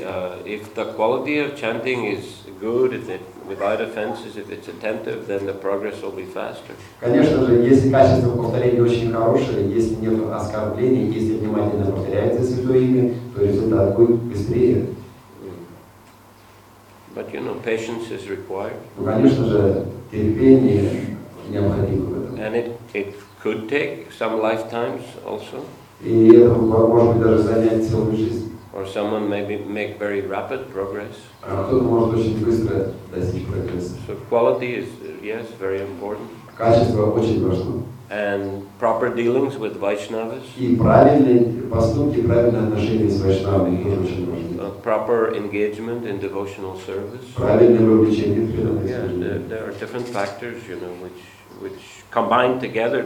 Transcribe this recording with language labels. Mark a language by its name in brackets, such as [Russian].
[English] If the quality of chanting is good, if it without offenses, if it's attentive, then the progress will be faster. [Russian] Конечно же, если качество повторения очень хорошее, если нет оскорблений, если внимательно повторяется святое имя, то результат будет быстрее. [English] But you know, patience is required. [Russian] Ну, конечно же, терпение необходимо в этом. [English] And it could take some lifetimes also. [Russian] И это может быть даже занять целую жизнь. [English] Or someone maybe make very rapid progress. So quality is, yes, very important. [Russian] Качество очень важно. [English] And proper dealings with Vaishnavas. [Russian] И правильные поступки, правильное отношение с Вайшнавами тоже очень важно. [English] Proper engagement in devotional service. [Russian] Правильное вовлечение в преданное служение. [English] Yeah, there are different factors, you know, which combine together.